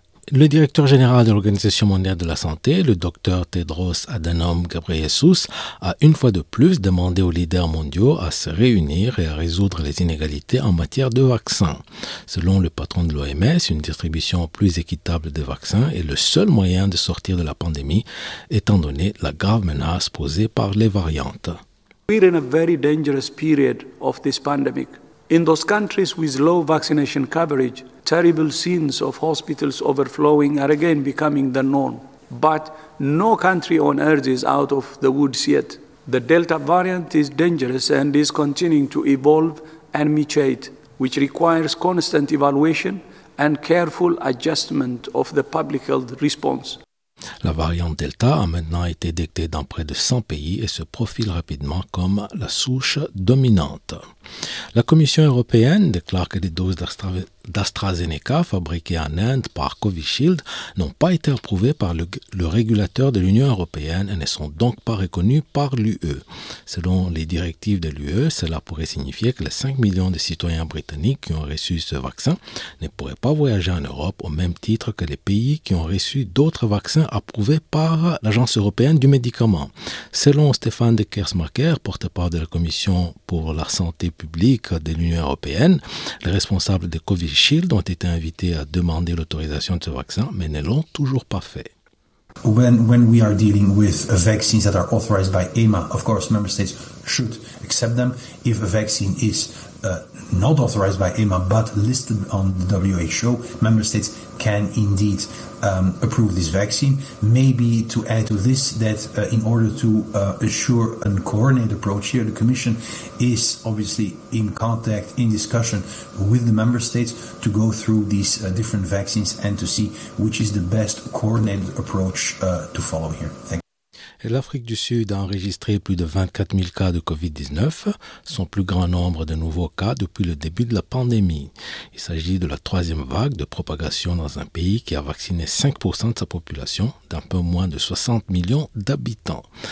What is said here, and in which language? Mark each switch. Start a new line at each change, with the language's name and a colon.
French: Le directeur général de l'Organisation mondiale de la santé, le docteur Tedros Adhanom Ghebreyesus, a une fois de plus demandé aux leaders mondiaux à se réunir et à résoudre les inégalités en matière de vaccins. Selon le patron de l'OMS, une distribution plus équitable des vaccins est le seul moyen de sortir de la pandémie, étant donné la grave menace posée par les variantes.
English: We're in a very dangerous period of this pandemic. In those countries with low vaccination coverage, terrible scenes of hospitals overflowing are again becoming the norm. But no country on earth is out of the woods yet. The Delta variant is dangerous and is continuing to evolve and mutate, which requires constant evaluation and careful adjustment of the public health response.
French: La variante Delta a maintenant été détectée dans près de 100 pays et se profile rapidement comme la souche dominante. La Commission européenne déclare que les doses d'AstraZeneca fabriquées en Inde par Covishield n'ont pas été approuvées par le régulateur de l'Union européenne et ne sont donc pas reconnues par l'UE. Selon les directives de l'UE, cela pourrait signifier que les 5 millions de citoyens britanniques qui ont reçu ce vaccin ne pourraient pas voyager en Europe au même titre que les pays qui ont reçu d'autres vaccins approuvés par l'Agence européenne du médicament. Selon Stéphane de Kersmacher, porte-parole de la Commission pour la santé publique de l'Union européenne, les responsables de Covishield ont été invités à demander l'autorisation de ce vaccin, mais ne l'ont toujours pas fait.
English: When we are dealing with vaccines that are authorized by EMA, of course, member states should accept them. If a vaccine is not authorized by EMA but listed on the WHO, member states can indeed approve this vaccine. Maybe to add to this that in order to assure a coordinated approach here, the Commission is obviously in contact, in discussion with the member states to go through these different vaccines and to see which is the best coordinated approach to follow here. Thank you.
French: Et l'Afrique du Sud a enregistré plus de 24 000 cas de COVID-19, son plus grand nombre de nouveaux cas depuis le début de la pandémie. Il s'agit de la troisième vague de propagation dans un pays qui a vacciné 5% de sa population d'un peu moins de 60 millions d'habitants.